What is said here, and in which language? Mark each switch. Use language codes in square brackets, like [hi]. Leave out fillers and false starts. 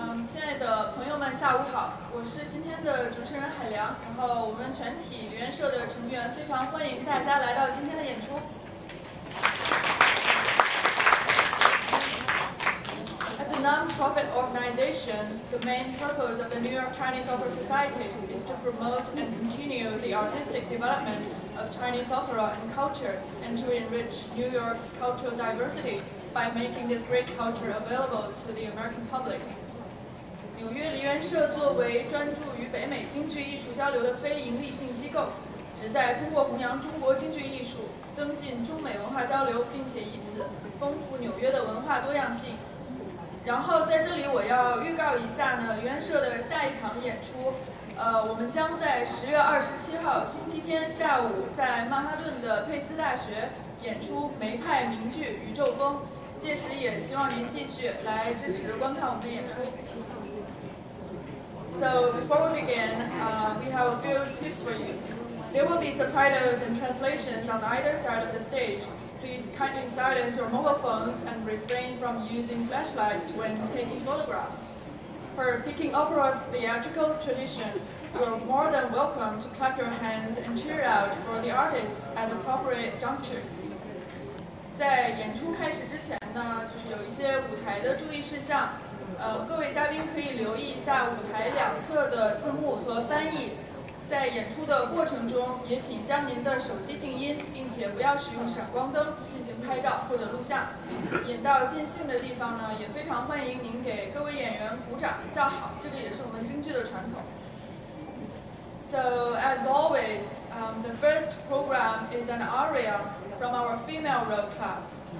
[zh] 亲爱的朋友们，下午好，我是今天的主持人海良，然后我们全体梨园社的成员非常欢迎大家来到今天的演出。 [en] As a non-profit organization, the main purpose of the New York Chinese Opera Society is to promote and continue the artistic development of Chinese opera and culture and to enrich New York's cultural diversity by making this great culture available to the American public. [zh] 纽约梨园社作为专注于北美京剧艺术交流的非盈利性机构，旨在通过弘扬中国京剧艺术，增进中美文化交流，并且以此丰富纽约的文化多样性。然后在这里我要预告一下呢，梨园社的下一场演出，我们将在10月27号星期天下午在曼哈顿的佩斯大学演出梅派名剧《宇宙风》，届时也希望您继续来支持观看我们的演出。 [en] So before we begin, we have a few tips for you. There will be subtitles and translations on either side of the stage. Please kindly silence your mobile phones and refrain from using flashlights when taking photographs. For Peking Opera's theatrical tradition, you are more than welcome to clap your hands and cheer out for the artists at appropriate junctures. [zh] 在演出开始之前呢，就是有一些舞台的注意事项。各位嘉宾可以留意一下舞台两侧的字幕和翻译，在演出的过程中也请将您的手机静音，并且不要使用闪光灯进行拍照或者录像。演到尽兴的地方呢，也非常欢迎您给各位演员鼓掌叫好，这个也是我们京剧的传统。 [en] So as always, the first program is an aria from our female role class.